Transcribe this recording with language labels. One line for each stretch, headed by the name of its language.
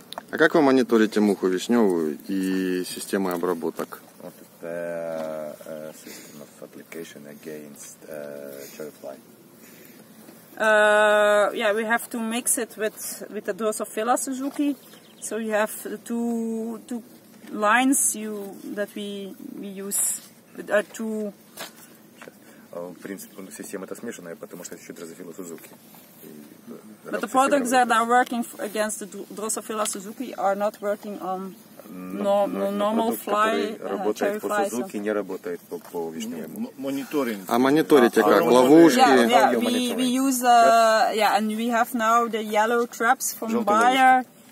Russian: А как вы мониторите муху вишневую и системы обработок?
English: What is the system of application against cherry fly? Yeah, we have to mix it with the Drosophila Suzuki. So you have the two lines that we use, are two.
Russian: В принципе, система это смешанная, потому что еще Drosophila Suzuki.
English: But the products that are working against the Drosophila Suzuki are not working on normal fly.
Russian: Работает по Suzuki, не работает по вишневому. Мониторинг. А мониторите как? Ловушки?
English: Yeah, we use yeah, and we have now the yellow traps from Bayer.